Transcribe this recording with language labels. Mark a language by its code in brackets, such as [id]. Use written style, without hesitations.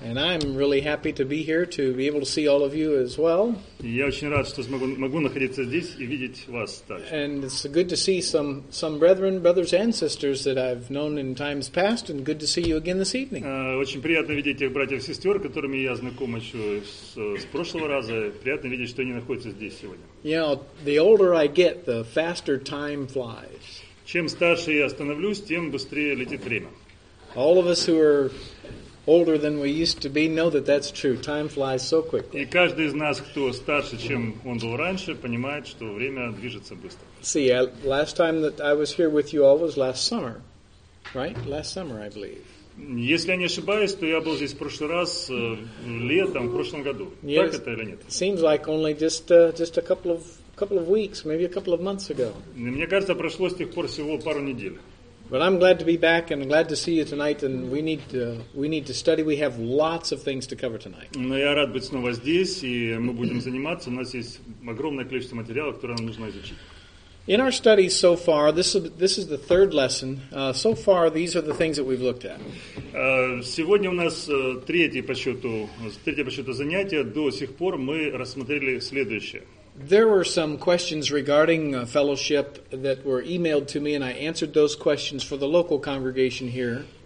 [en] And I'm really happy to be here to be able to see all of you as well. [ru] Я очень рад, что могу находиться здесь и видеть вас также. [en] And it's good to see some brethren, brothers and sisters that I've known in times past, and good to see you again this evening. [ru] Очень приятно видеть тех братьев и сестер, которыми я знаком еще с прошлого раза. Приятно видеть, что они находятся здесь сегодня. [en] You know, the older I get, the faster time flies. [ru] Чем старше я становлюсь, тем быстрее летит время. [en] All of us who are older than we used to be know that that's true. Time flies so quickly. [ru] И каждый из нас, кто старше, чем он был раньше, понимает, что время движется быстро. [en] See, last time that I was here with you all was last summer, right? Last summer, I believe. [ru] Если я не ошибаюсь, то я был здесь в прошлый раз летом в прошлом году. Так это или нет? [en] Seems like only just a couple of weeks, maybe a couple of months ago. [ru] Мне кажется, прошло с тех пор всего пару недель. [en] But I'm glad to be back and glad to see you tonight, and we need to study. We have lots of things to cover tonight. [ru] Но я рад быть снова здесь, и мы будем заниматься. У нас есть огромное количество материала, которое нам нужно изучить. [en] In our study so far, this is the third lesson. So far, these are the things that we've looked at. [ru] Сегодня у нас третье по счету занятие. До сих пор мы рассмотрели следующее. [en] There were some questions regarding fellowship that were emailed to me, and I answered those questions for the local congregation here.